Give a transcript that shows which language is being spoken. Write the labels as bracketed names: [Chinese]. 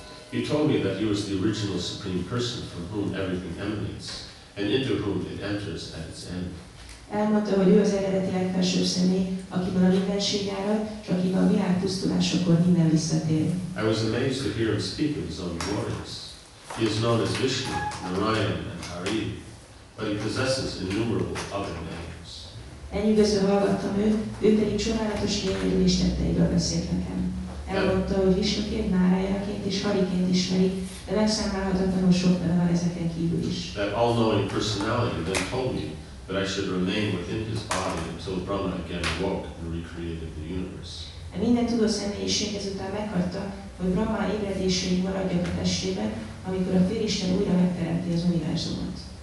[English] He told me that he was the original Supreme Person from whom everything emanates, and into whom it enters at its end. [Hungarian] Elmondta, hogy ő az eredeti legfelsőbb személy, akiből a mindenség árad, és akiből a világ pusztulásokon minden visszatér. [English] I was amazed to hear him speak of his own glories. He is known as Vishnu, Narayan, and Hari, but he possesses innumerable other names. [Hungarian] Enyűgözve hallgattam őt, ő pedig csodálatos lényegről és tetteiről beszélt nekem. Elmondta, hogy Vishnuként, Narayanként és Hariként ismeri, de megszámlálhatatlanul sok neve van ezeken kívül is. [English] That all-knowing personality then told me that I should remain within his body until Brahma again awoke and recreated the universe. [Hungarian] A minden tudó személyiség ezután meghagyta, hogy Brahma ébredéséig maradjon a testében, amikor a Félisten újra megteremti az univerzumot.